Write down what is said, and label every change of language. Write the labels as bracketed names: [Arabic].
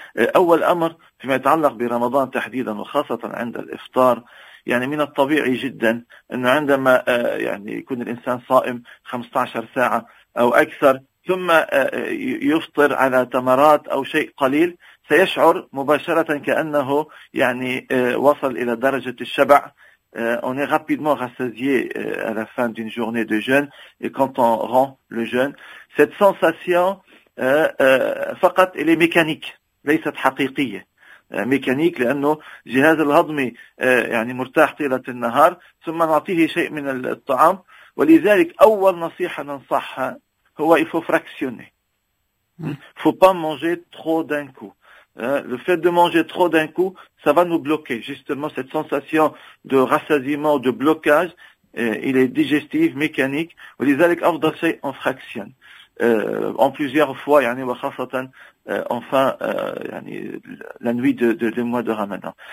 [Arabic] أول أمر فيما يتعلق برمضان تحديدا وخاصة عند الإفطار، يعني من الطبيعي جدا أنه عندما يعني يكون الإنسان صائم 15 ساعة أو أكثر ثم يفطر على تمرات أو شيء قليل، سيشعر مباشرة كأنه يعني وصل إلى درجة الشبع. [French] On est rapidement rassasié à la fin d'une journée de jeûne et quand on rompt le jeûne, cette sensation فقط elle est mécanique, [Arabic] ليست حقيقية. ميكانيك لأنه جهاز الهضمي يعني مرتاح طيلة النهار ثم نعطيه شيء من الطعام. ولذلك أول نصيحة ننصحها هو [French] il faut fractionner. Faut pas manger trop d'un coup. Le fait de manger trop d'un coup, ça va nous bloquer. Justement, cette sensation de rassasiement, de blocage, il est digestif, mécanique. Les aliments on fractionne en plusieurs fois, يعني وخاصه enfin يعني la nuit de mois de Ramadan.